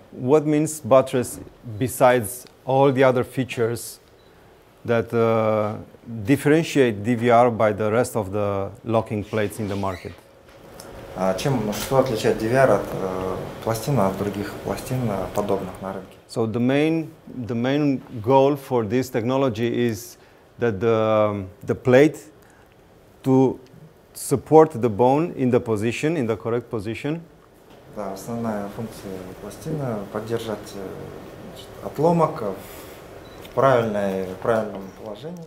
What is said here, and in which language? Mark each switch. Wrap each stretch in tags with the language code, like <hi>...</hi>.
<en>What means buttress besides all the other features that differentiate DVR by the rest of the locking plates in the market?</en> <ru>Что отличает DVR от пластины, от других пластин подобных на рынке?</ru> <en>So the main goal for this technology is that the plate to support the bone in the position, in the correct position.</en> <ru>Да, основная функция пластины — поддержать отломок в правильном положении.</ru>